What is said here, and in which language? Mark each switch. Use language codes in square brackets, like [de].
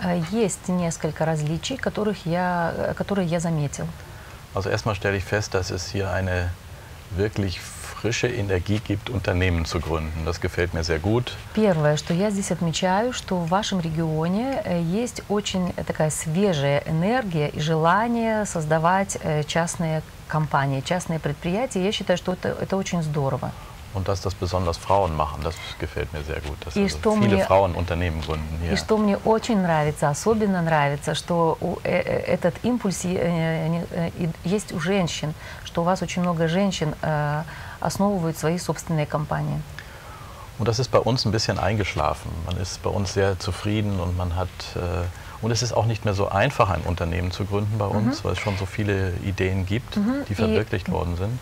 [ru] Есть несколько различий, которые я заметил. [de] Also erstmal stelle ich fest, dass es hier eine wirklich frische Energie gibt, Unternehmen zu gründen. Das gefällt mir sehr gut. [ru] Первое, что я здесь отмечаю, что в вашем регионе есть очень такая свежая энергия и желание создавать частные компании, частные предприятия. Я считаю, что это очень здорово. [de] Und dass das besonders Frauen machen, das gefällt mir sehr gut, dass also viele Frauen Unternehmen gründen hier. [ru] И что мне очень нравится, особенно нравится, что этот импульс есть у женщин, что у вас очень много женщин основывают свои собственные компании. [de] Und das ist bei uns ein bisschen eingeschlafen. Man ist bei uns sehr zufrieden und man hat und es ist auch nicht mehr so einfach, ein Unternehmen zu gründen bei uns, weil es schon so viele Ideen gibt, die verwirklicht worden sind.